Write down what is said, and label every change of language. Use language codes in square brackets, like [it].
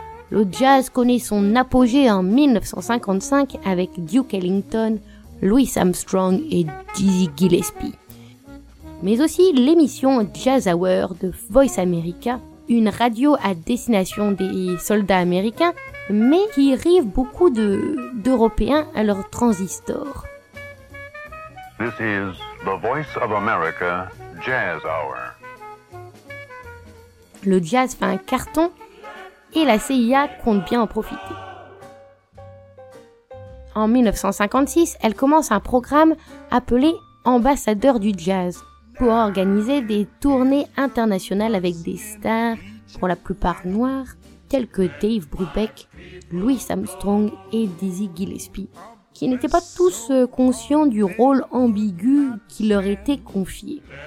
[fr] Le jazz connaît son apogée en 1955 avec Duke Ellington, Louis Armstrong et Dizzy Gillespie. Mais aussi l'émission Jazz Hour de Voice America, une radio à destination des soldats américains, mais qui rive beaucoup d'Européens à leur transistor. [en] This is the Voice of America Jazz Hour. [fr] Le jazz fait un carton et la CIA compte bien en profiter. En 1956, elle commence un programme appelé Ambassadeur du Jazz, pour organiser des tournées internationales avec des stars, pour la plupart noires, telles que Dave Brubeck, Louis Armstrong et Dizzy Gillespie, qui n'étaient pas tous conscients du rôle ambigu qui leur était confié.